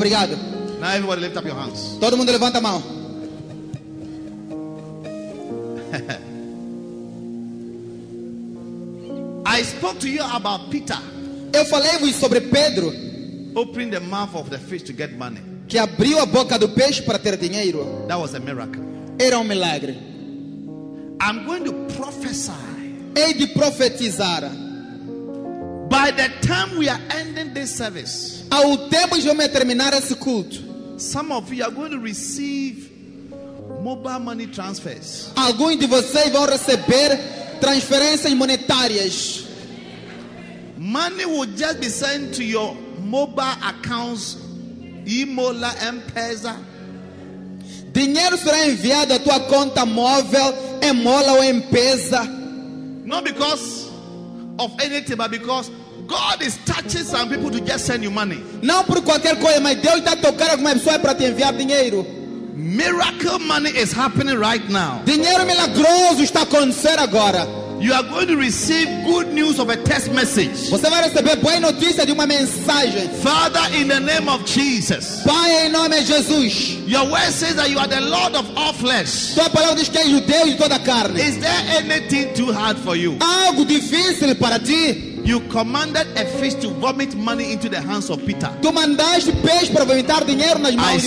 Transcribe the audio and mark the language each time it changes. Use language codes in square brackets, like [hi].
[pt] Obrigado. [en] Now everybody lift up your hands. [pt] Todo mundo levanta a mão. [en] I spoke to you about Peter. [pt] Eu falei sobre Pedro. [en] Opening the mouth of the fish to get money. [pt] Que abriu a boca do peixe para ter dinheiro. [en] That was a miracle. [pt] Era milagre. [en] I'm going to prophesy. [pt] Hei de profetizar. [en] By the time we are ending this service, [pt] ao tempo que vamos terminar esse culto, [en] some of you are going to receive mobile money transfers. [pt] Alguns de vocês vão receber transferências monetárias. [en] Money will just be sent to your mobile accounts, Imola, M-Pesa. [pt] Dinheiro será enviado à tua conta móvel, Imola ou M-Pesa. [en] Not because of anything, but because God is touching some people to just send you money. [pt] Não por qualquer coisa, mas Deus está tocando alguma pessoa para te enviar dinheiro. [en] Miracle money is happening right now. [pt] Dinheiro milagroso está acontecendo agora. [en] You are going to receive good news of a text message. [pt] Você vai receber boa notícia de uma mensagem. [en] Father, in the name of Jesus. [pt] Pai, em nome de Jesus. [en] Your word says that you are the Lord of all flesh. [pt] Tua palavra diz que és o Deus de toda carne. [en] Is there anything too hard for you? [pt] Algo difícil para ti? [en] You commanded a fish to vomit money into the hands of Peter. [pt] Tu mandaste peixe para vomitar dinheiro nas mãos de Pedro.